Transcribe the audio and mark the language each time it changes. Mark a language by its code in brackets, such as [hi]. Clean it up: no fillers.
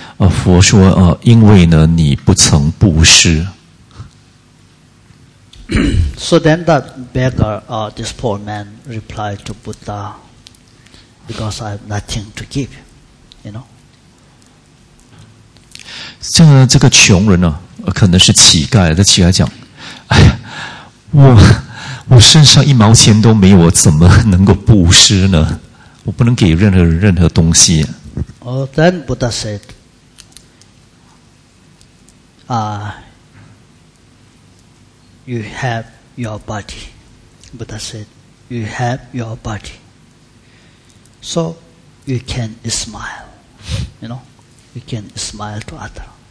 [zh] 佛说因为呢你不曾布施。 [en] So then that beggar, this poor man replied to Buddha, because I have nothing to give, you know. [zh] 这个穷人呢，可能是乞丐，这乞丐讲：“哎呀，我身上一毛钱都没有，我怎么能够布施呢？我不能给任何东西。” [en] Oh, then Buddha said, you have your body. Buddha said, you have your body. So you can smile, you know, you can smile to others.